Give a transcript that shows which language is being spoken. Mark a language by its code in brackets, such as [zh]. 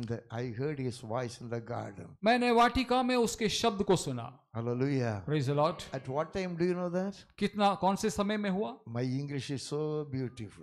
[en] I heard his voice in the garden. [hi] मैंने वाटिका में उसके शब्द को सुना. [en] Hallelujah. Praise the Lord. At what time do you know that? [hi] कितना कौन से समय में हुआ? [en] My English is so beautiful.